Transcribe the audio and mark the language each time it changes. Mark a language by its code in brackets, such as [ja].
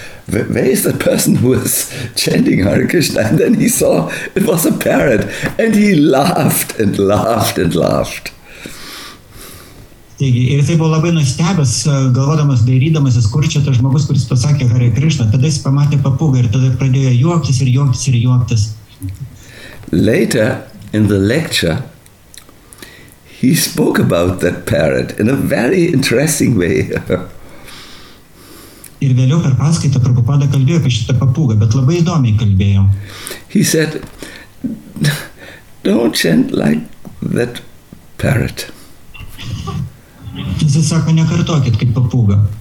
[en] Where is the person who was chanting Hare Krishna? And then he saw it was a parrot. And he laughed and laughed and laughed. [lt] Taigi, ir jisai buvo labai nustebęs, galvodamas, dairydamasis, kur čia tas žmogus, kuris pasakė Hare Krishna. Tada jis pamatė papūgą ir tada pradėjo juoktis ir juoktis ir juoktis. [en] Later in the lecture, he spoke about that parrot in a very interesting way. [lt] Ir vėliau per paskaitą Prabhupada kalbėjo apie šitą papūgą, bet labai įdomiai kalbėjo. [en] He said, don't chant like that parrot. [lt] Jis sako, nekartokit kaip papūga.